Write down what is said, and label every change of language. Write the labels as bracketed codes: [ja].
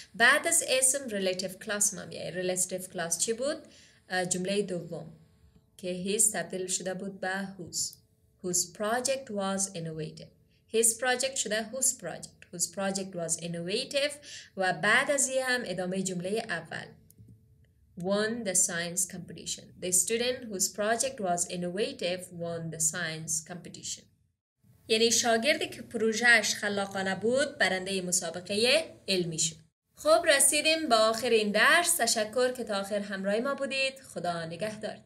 [fa] بعد از اسم relative clause ما میاد. Relative clause چی بود؟ جمله دوم که his تبدیل شده بود به whose. [en] Whose project was innovative. His project شده whose project. Whose project was innovative. [fa] و بعد از این هم ادامه جمله اول. [en] Won the science competition. The student whose project was innovative won the science competition. [fa] یعنی شاگردی که پروژهش خلاقانه بود برنده مسابقه علمی شد. خب رسیدیم با آخرین درس. تشکر که تا آخر همراه ما بودید. خدا نگهدار.